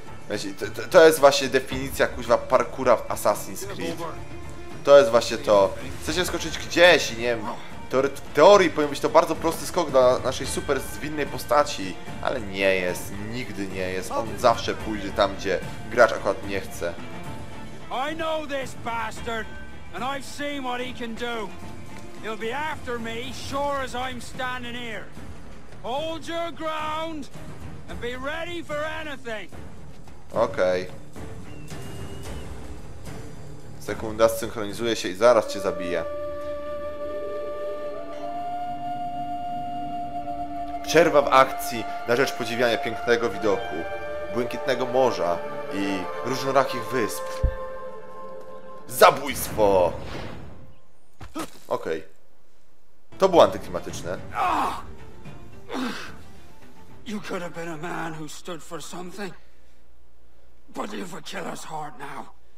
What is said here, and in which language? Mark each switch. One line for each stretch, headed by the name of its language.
Polish: Wiecie, to jest właśnie definicja kuźwa parkura w Assassin's Creed. To jest właśnie to. Chcecie skoczyć gdzieś i nie wiem. W teorii powinien być to bardzo prosty skok dla naszej super zwinnej postaci. Ale nie jest, nigdy nie jest. On zawsze pójdzie tam, gdzie gracz akurat nie chce.
English: I know this bastard, and I've seen what he can do. He'll be after me, sure as I'm standing here. Hold your ground, and be ready for anything.
Polish: Okej. Sekunda, zsynchronizuje się i zaraz cię zabije. Przerwa w akcji na rzecz podziwiania pięknego widoku, błękitnego morza i różnorakich wysp. Zabójstwo! Okej. To było antyklimatyczne.
English: You could have been a man who stood for something. But you have a killer's heart now.